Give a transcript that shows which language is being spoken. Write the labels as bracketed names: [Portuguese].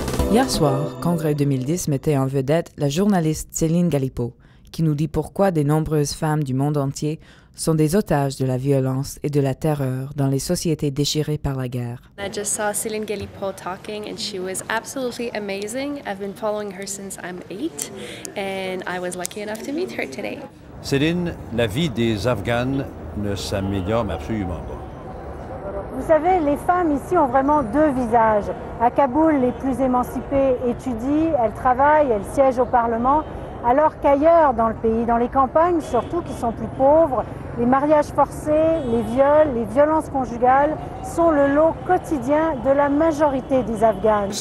[French] Hier soir, Congrès 2010 mettait en vedette la journaliste Céline Galipeau, qui nous dit pourquoi de nombreuses femmes du monde entier sont des otages de la violence et de la terreur dans les sociétés déchirées par la guerre. [English] I just saw Céline Galipeau talking and she was absolutely amazing. I've been following her since I'm 8 and I was lucky enough to meet her today. [French] Céline, la vie des Afghanes ne s'améliore absolument pas. Vous savez, les femmes ici ont vraiment deux visages. À Kaboul, les plus émancipées étudient, elles travaillent, elles siègent au Parlement, alors qu'ailleurs dans le pays, dans les campagnes surtout, qui sont plus pauvres, les mariages forcés, les viols, les violences conjugales sont le lot quotidien de la majorité des Afghanes.